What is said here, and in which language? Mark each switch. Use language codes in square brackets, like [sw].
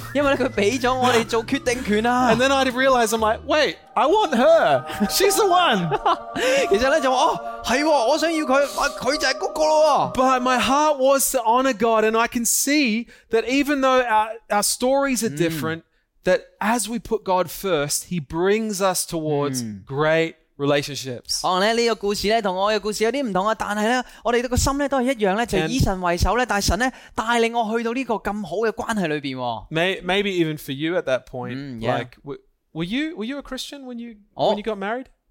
[yue] 因為咧，佢俾咗我哋做決定權啊。 [en] And then I realized, I'm like, wait, I want her. She's the one. [yue] 其實咧就話哦，係喎，我想要佢，啊，佢就係嗰個咯喎。 [en] But my heart was to honor God, and I can see that even though our stories are different. That as we put God first, He brings us towards great relationships. [yue] 可能咧呢个故事咧同我嘅故事有啲唔同啊，但系咧我哋个心咧都系一样咧，就以神为首咧，但系神咧带领我去到呢个咁好嘅关系里边。 [en] Maybe even for you at that point, like were you a Christian when you got married?